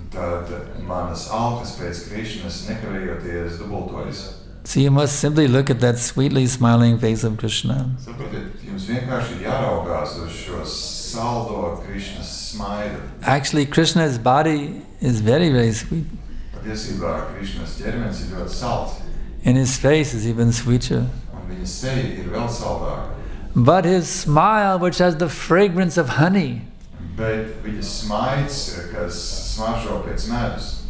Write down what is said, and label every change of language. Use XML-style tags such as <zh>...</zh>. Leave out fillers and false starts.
<lv>Tad manas alkas pēc Krishna's nekavējoties dubultojas.</lv> <en>So you must simply look at that sweetly smiling face of Krishna.</en> <lv>Jums vienkārši jāraugās uz šo saldo Krishna's smaidu.</lv> <en>Actually, Krishna's body is very, very sweet.</en> <lv>Patiesībā Krishna's ķermenis ir ļoti salts.</lv> <en>And his face is even sweeter.</en> <lv>Un viņa seja ir vēl saldāka.</lv> <en>But his smile, which has the fragrance of honey,</en> <lv>bet viņa smaids, kas smaržo pēc medus,</lv>